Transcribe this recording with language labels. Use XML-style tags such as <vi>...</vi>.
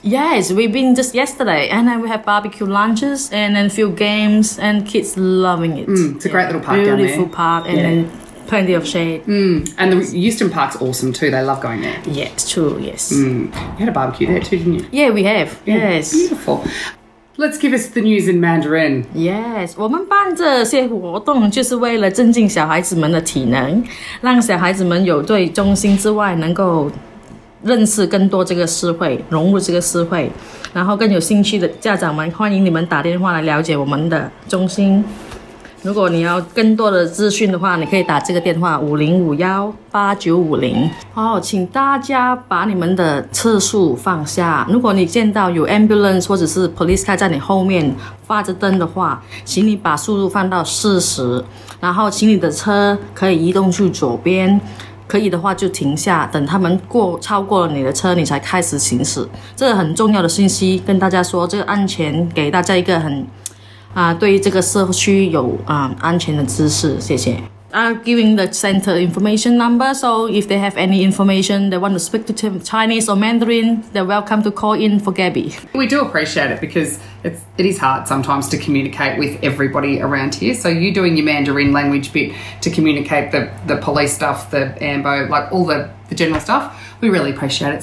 <en>Yes, we've been just yesterday, and then we have barbecue lunches and then a few games, and kids loving it. It's a great little park down there. Beautiful park, and then plenty of shade. And the Houston Park's awesome too. They love going there. Yes. You had a barbecue there too, didn't you? Yeah, we have. Yeah. Yes. Beautiful. Let's give us the news in Mandarin.</en> <zh>Yes, 我们办这些活动就是为了增进小孩子们的体能，让小孩子们有对中心之外能够认识更多这个社会，融入这个社会。然后更有兴趣的家长们，欢迎你们打电话来了解我们的中心。如果你要更多的资讯的话，你可以打这个电话 5051 请大家把你们的车速放下。如果你见到有 ambulance 或者是 police car 在你后面发着灯的话，请你把速度放到 40，然后请你的车可以移动去左边，可以的话就停下，等他们过超过了你的车，你才开始行驶。这个很重要的信息，跟大家说，这个安全给大家一个很对这个社区有安全的知识。谢谢。</zh> <en>Giving the center information number, so if they have any information they want to speak to Chinese or Mandarin, they're welcome to call in for Gabi. We do appreciate it because it is hard sometimes to communicate with everybody around here. So you doing your Mandarin language bit to communicate the police stuff, the AMBO, like all the general stuff, we really appreciate it.</en>